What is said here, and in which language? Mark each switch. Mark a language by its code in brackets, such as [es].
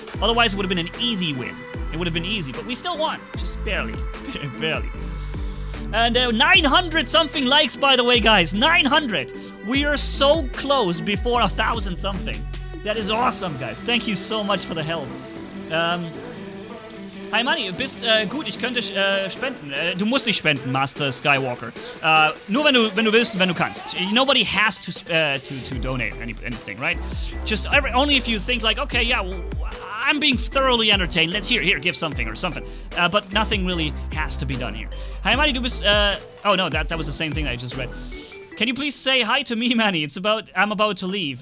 [en] Otherwise, it would have been an easy win. It would have been easy, but we still won. Just barely. Barely. And 900-something likes, by the way, guys. 900. We are so close before 1,000-something. That is awesome, guys. Thank you so much for the help. [de] Hi, Manni. Bist gut. Ich könnte spenden. Du musst nicht spenden, Master Skywalker. Nur wenn du willst, wenn du kannst. [en] Nobody has to donate anything, right? Just only if you think like, okay, yeah, well, I'm being thoroughly entertained. Let's here, give something or something. But nothing really has to be done here. Hi, Manni. [de] Du bist. [en] Oh no, that was the same thing that I just read. Can you please say hi to me, Manni? I'm about to leave.